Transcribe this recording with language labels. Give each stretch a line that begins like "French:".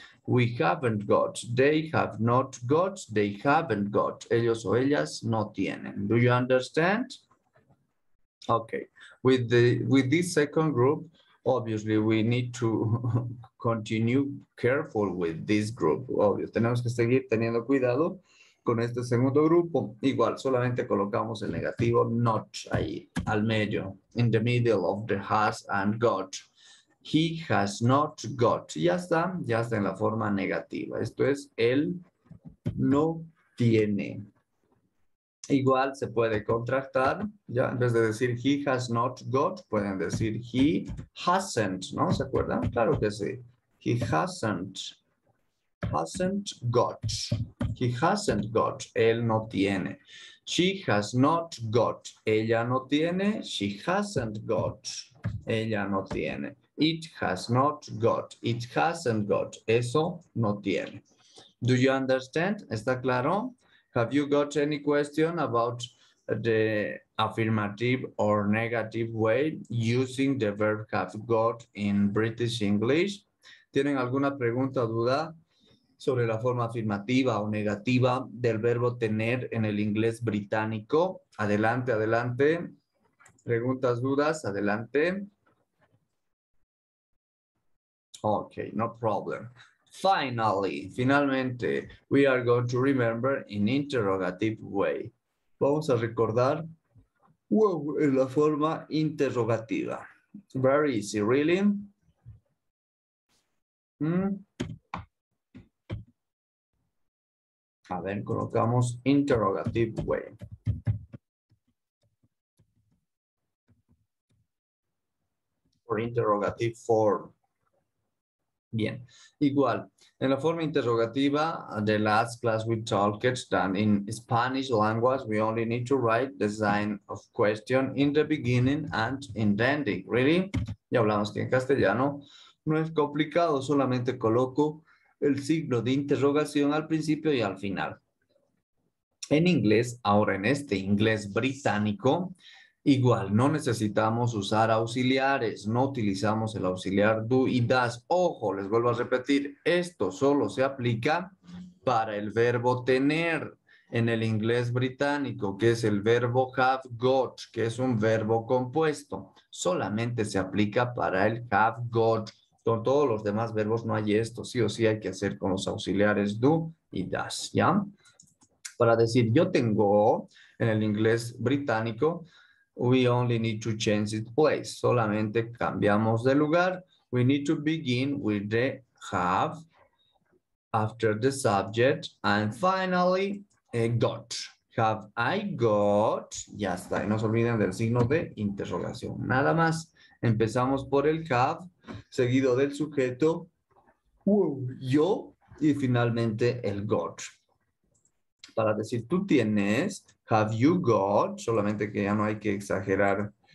English: We haven't got, they have not got, they haven't got.
Spanish: Ellos o ellas no tienen.
English: Do you understand? Okay. With this second group, obviously we need to continue careful with this group.
Spanish: Obvio, tenemos que seguir teniendo cuidado con este segundo grupo. Igual, solamente colocamos el negativo not ahí, al medio,
English: in the middle of the has and got. He has not got.
Spanish: Ya está en la forma negativa. Esto es, él no tiene. Igual se puede contractar, ya, en vez de decir
English: he has not got,
Spanish: pueden decir
English: he hasn't,
Spanish: ¿no? ¿Se acuerdan? Claro que sí.
English: He hasn't, hasn't got. He hasn't got.
Spanish: Él no tiene.
English: She has not got.
Spanish: Ella no tiene.
English: She hasn't got.
Spanish: Ella no tiene.
English: It has not got. It hasn't got.
Spanish: Eso no tiene.
English: Do you understand?
Spanish: ¿Está claro?
English: Have you got any question about the affirmative or negative way using the verb have got in British English?
Spanish: ¿Tienen alguna pregunta o duda sobre la forma afirmativa o negativa del verbo tener en el inglés británico? Adelante, adelante. ¿Preguntas, dudas? Adelante.
English: Okay, no problem. Finally, finalmente, we are going to remember in interrogative way.
Spanish: Vamos a recordar en la forma interrogativa.
English: Very easy, really.
Spanish: A ver, colocamos
English: interrogative way. Or interrogative form.
Spanish: Bien, igual, en la forma interrogativa,
English: the last class we talked done in Spanish language, we only need to write the sign of question in the beginning and in the ending, really?
Spanish: Ya hablamos que en castellano no es complicado, solamente coloco el signo de interrogación al principio y al final. En inglés, ahora en este inglés británico, igual, no necesitamos usar auxiliares, no utilizamos el auxiliar do y does. Ojo, les vuelvo a repetir, esto solo se aplica para el verbo tener en el inglés británico, que es el verbo have got, que es un verbo compuesto. Solamente se aplica para el have got. Con todos los demás verbos no hay esto, sí o sí hay que hacer con los auxiliares do y does, ¿ya? Para decir yo tengo en el inglés británico,
English: we only need to change its place.
Spanish: Solamente cambiamos de lugar.
English: We need to begin with the have after the subject. And finally, got. Have I got?
Spanish: Ya está. Y no se olviden del signo de interrogación. Nada más. Empezamos por el have, seguido del sujeto, yo, y finalmente el got. Para decir tú tienes,
English: have you got,
Spanish: solamente que ya no hay que exagerar